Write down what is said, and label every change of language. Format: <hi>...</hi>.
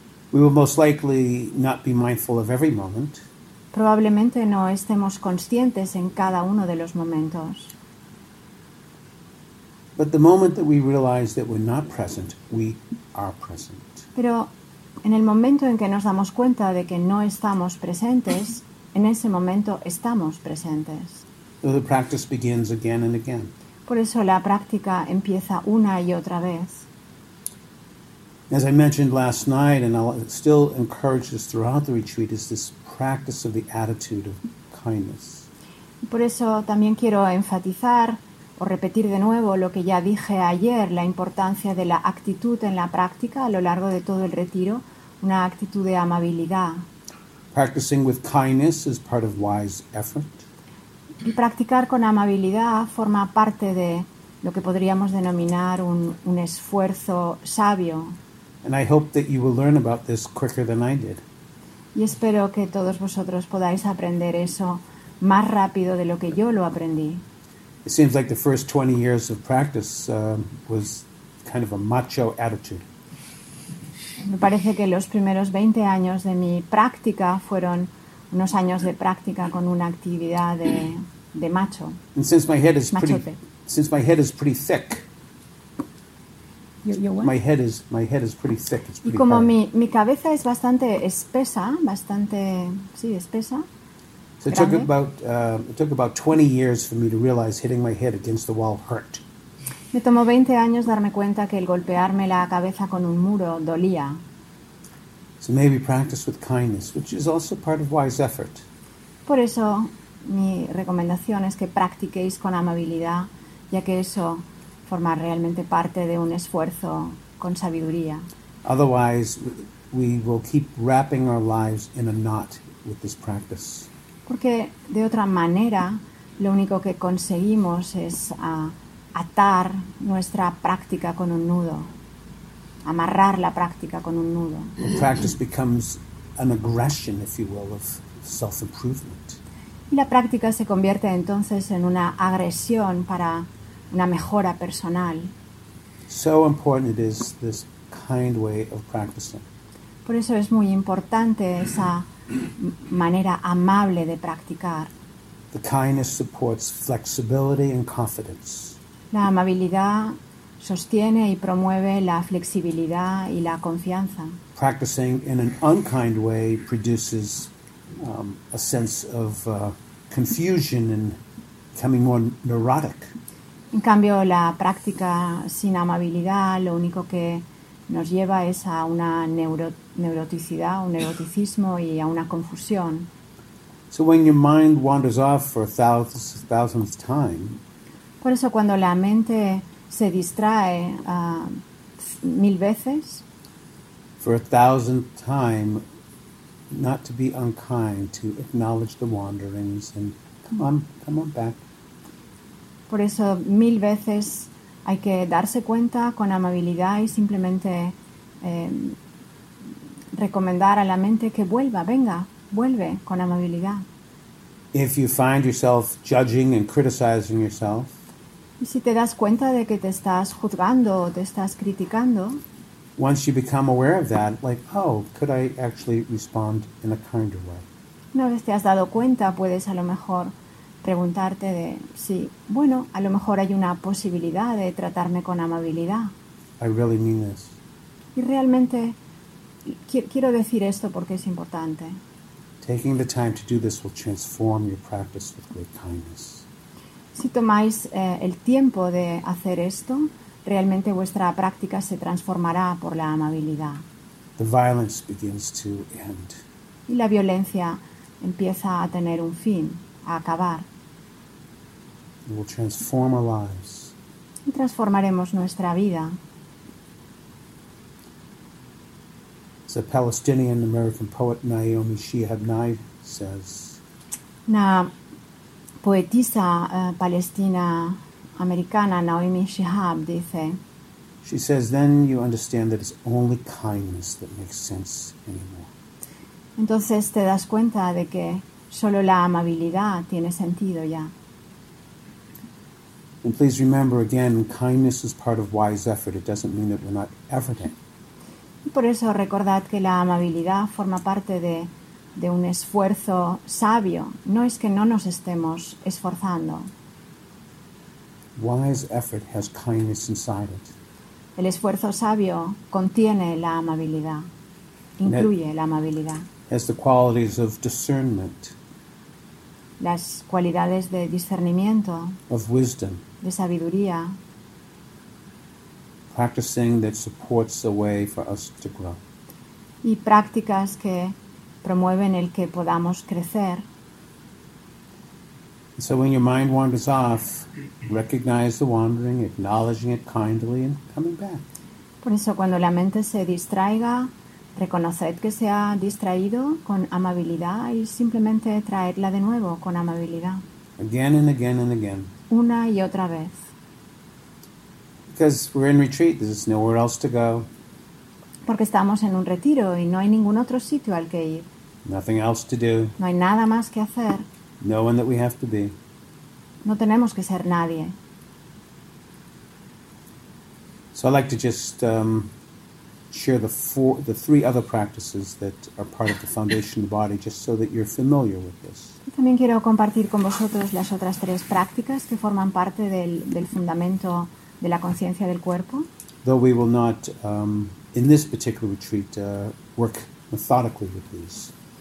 <en>We will most likely not be mindful of every moment.</en> <es>Probablemente no estemos conscientes en cada uno de los momentos.</es> <en>But the moment that we realize that we're not present, we are present.</en> <es>Pero en el momento en que nos damos cuenta de que no estamos presentes, en ese momento estamos presentes.</es> <en>So the practice begins again and again.</en> <es>Por eso la práctica empieza una y otra vez.</es> <en>As I mentioned last night, and I'll still encourage this throughout the retreat, is this practice of the attitude of kindness.</en> <es>Por eso también quiero enfatizar o repetir de nuevo lo que ya dije ayer, la importancia de la actitud en la práctica a lo largo de todo el retiro, una actitud de amabilidad.</es> <en>Practicing with kindness is part of wise effort.</en> <es>Y practicar con amabilidad forma parte de lo que podríamos denominar un esfuerzo sabio.</es> <en>And I hope that you will learn about this quicker than I did.</en> <es>Y espero que todos vosotros podáis aprender eso más rápido de lo que yo lo aprendí.</es> <en>It seems like the first 20 years of practice was kind of a macho attitude.</en> <es>Me parece que los primeros 20 años de mi práctica fueron unos años de práctica con una actividad de macho.</es> <en>And since my head is pretty thick. My head is pretty thick. It's pretty</en> <es>y como</es> <en>hard.</en> <es>mi cabeza es bastante espesa, espesa.</es> <en>So it took about 20 years for me to realize hitting my head against the wall hurt.</en> <es>Me tomó 20 años darme cuenta que el golpearme la cabeza con un muro dolía.</es> <en>So maybe practice with kindness, which is also part of wise effort.</en> <es>Por eso mi recomendación es que practiquéis con amabilidad, ya que eso forma realmente parte de un esfuerzo con sabiduría.</es> <en>Otherwise, we will keep wrapping our lives in a knot with this practice.</en> <es>Porque de otra manera lo único que conseguimos es atar nuestra práctica con un nudo, amarrar la práctica con un nudo.</es> <en>The practice becomes an aggression, if you will, of self-improvement.</en> <es>Y la práctica se convierte entonces en una agresión para una mejora personal.</es> <en>So important it is, this kind way of practicing.</en> <es>Por eso es muy importante esa manera amable de practicar.</es> <en>The kindness supports flexibility and confidence.</en> <es>La amabilidad sostiene y promueve la flexibilidad y la confianza.</es> <en>Practicing in an unkind way produces a sense of confusion and becoming more neurotic.</en> <es>En cambio, la práctica sin amabilidad lo único que nos lleva es a una neuroticidad, un neuroticismo y a una confusión.</es> <en>So when your mind wanders off for a thousandth time,</en> <es>por eso cuando la mente se distrae mil veces,</es> <en>for a thousandth time, not to be unkind, to acknowledge the wanderings and come on back.</en> <es>Por eso mil veces hay que darse cuenta con amabilidad y simplemente recomendar a la mente que vuelva, venga, vuelve con amabilidad.</es> <en>If you find yourself judging and criticizing yourself,</en> <es>y si te das cuenta de que te estás juzgando o te estás criticando,</es> <en>once you become aware of that, like, oh, could I actually respond in a kinder way?</en> <es>Una vez te has dado cuenta, puedes a lo mejor preguntarte de si, bueno, a lo mejor hay una posibilidad de tratarme con amabilidad.</es> <en>I really mean this.</en> <es>Y realmente quiero decir esto porque es importante.</es> <en>Taking the time to do this will transform your practice with great kindness.</en> <es>Si tomáis el tiempo de hacer esto, realmente vuestra práctica se transformará por la amabilidad.</es> <en>The violence begins to end.</en> <es>Y la violencia empieza a tener un fin, a acabar.</es> <en>It will transform our lives.</en> <es>Y transformaremos nuestra vida.</es> <en>As a Palestinian American poet Naomi Shihab Nye says,</en> <es>una poetisa palestina americana Naomi Shihab dice,</es> <en>she says, then you understand that it's only kindness that makes sense anymore.</en> <es>Entonces te das cuenta de que solo la amabilidad tiene sentido ya.</es> <en>And please remember again, kindness is part of wise effort. It doesn't mean that we're not efforting.</en> <es>Y por eso recordad que la amabilidad forma parte de un esfuerzo sabio. No es que no nos estemos esforzando.</es> <en>Wise effort has kindness inside it.</en> <es>El esfuerzo sabio contiene la amabilidad, incluye la amabilidad.</es> <en>Has the qualities of discernment.</en> <es>Las cualidades de discernimiento.</es> <en>Of wisdom.</en> <es>De sabiduría.</es> <en>Practicing that supports a way for us to grow.</en> <es>Y prácticas que promueven el que podamos crecer.</es> <en>So when your mind wanders off, recognize the wandering, acknowledging it kindly and coming back.</en> <es>Por eso cuando la mente se distraiga, reconoced que se ha distraído con amabilidad y simplemente traedla de nuevo con amabilidad.</es> <en>Again and again and again.</en> <es>Una y otra vez.</es> <en>Because we're in retreat, there's nowhere else to go.</en> <es>Porque estamos en un retiro y no hay ningún otro sitio al que ir.</es> <en>Nothing else to do.</en> <es>No hay nada más que hacer.</es> <en>No one that we have to be.</en> <es>No tenemos que ser nadie.</es> <en>So I'd like to just share the three other practices that are part of the foundation of the body, just so that you're familiar with this.</en> <es>También quiero compartir con vosotros las otras tres prácticas que forman parte del fundamento de la conciencia del cuerpo.</es> <en>Though we will not, in this particular retreat, work methodically with these.</en>